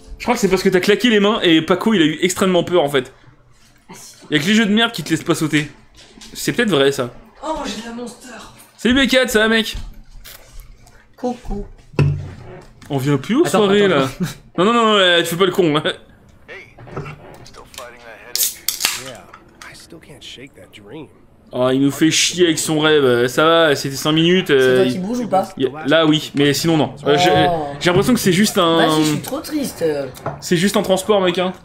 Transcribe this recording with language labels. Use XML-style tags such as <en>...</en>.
<fr>Je crois que c'est parce que t'as claqué les mains et Paco, il a eu extrêmement peur en fait. Y'a que les jeux de merde qui te laissent pas sauter. C'est peut-être vrai ça. Oh, j'ai de la monster. Salut B4, ça va mec? Coucou. On vient plus aux soirées là. Non, tu fais pas le con.</fr> <en>Hey, still fighting that headache? Yeah, I still can't shake that dream.</en> <fr>Oh, il nous fait chier avec son rêve, ça va, c'était 5 minutes. C'est toi qui bouge ou pas? Là, oui, mais sinon, non. Oh. J'ai l'impression que c'est juste un. Vas-y, je suis trop triste. C'est juste un transport, mec.</fr>